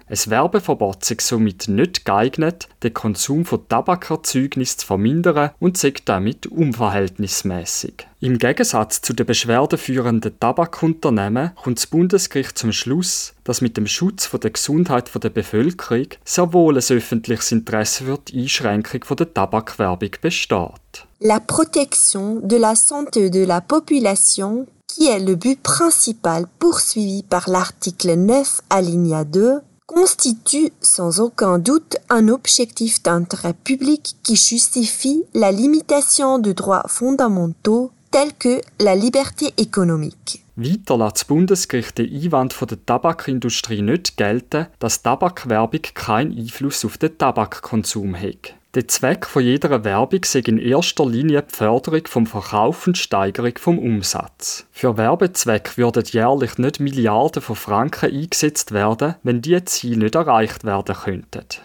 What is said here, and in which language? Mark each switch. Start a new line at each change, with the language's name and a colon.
German: Ein Werbeverbot sei somit nicht geeignet, den Konsum von Tabakerzeugnissen zu vermindern und sei damit unverhältnismäßig. Im Gegensatz zu den beschwerdeführenden Tabakunternehmen kommt das Bundesgericht zum Schluss, dass mit dem Schutz der Gesundheit der Bevölkerung sehr wohl ein öffentliches Interesse für die Einschränkung der Tabakwerbung besteht.
French: La protection de la santé de la population, qui est le but principal poursuivi par l'article 9 alinéa 2, constitue sans aucun doute un objectif d'intérêt public qui justifie la limitation de droits fondamentaux tels que la liberté économique.
German: Weiter lässt das Bundesgericht den Einwand der Tabakindustrie nicht gelten, dass Tabakwerbung keinen Einfluss auf den Tabakkonsum hat. Der Zweck von jeder Werbung sei in erster Linie die Förderung vom Verkauf und Steigerung vom Umsatz. Für Werbezwecke würden jährlich nicht Milliarden von Franken eingesetzt werden, wenn diese Ziele nicht erreicht werden könnten.